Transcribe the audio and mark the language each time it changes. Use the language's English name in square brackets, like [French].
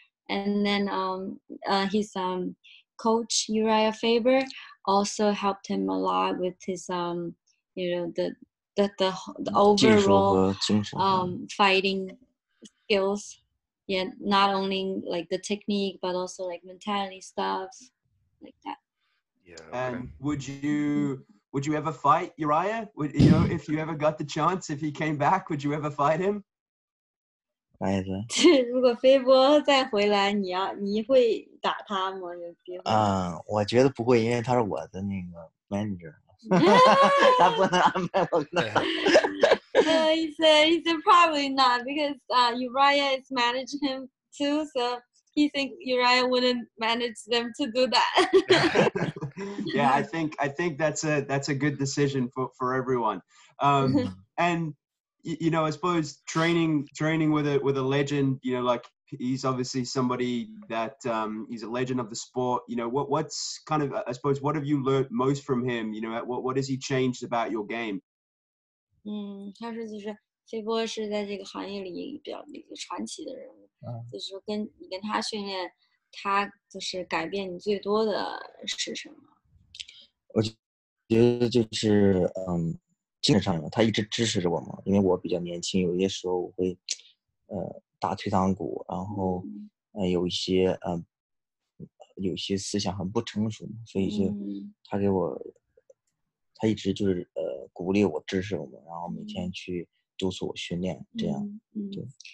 [English] And then his coach Uriah Faber also helped him a lot with his you know, the overall fighting skills, yeah, not only like the technique but also like mentality stuff like that. Yeah, okay. And would you ever fight Uriah? Would you know, if you ever got the chance, if he came back, would you ever fight him? [Chinese] 来一次。如果飞波再回来，你会打他吗？有机会？我觉得不会，因为他是我的那个 manager， 他不能安排我跟他打。 [English] He said probably not, because Uriah is managing him too, so he thinks Uriah wouldn't manage them to do that. Yeah, I think that's a good decision for everyone. And you know, I suppose training with a legend, you know, like he's obviously somebody that he's a legend of the sport. You know, what's kind of, I suppose, what have you learned most from him? You know, what has he changed about your game? [Chinese] 他说就是飞波是在这个行业里比较一个传奇的人物。就是说跟你跟他训练，他就是改变你最多的是什么？我觉得就是精神上的，他一直支持着我嘛，因为我比较年轻，有些时候我会打退堂鼓，然后有一些思想很不成熟，所以就他给我，他一直就是鼓励我，支持我们，然后每天去督促我训练，这样对。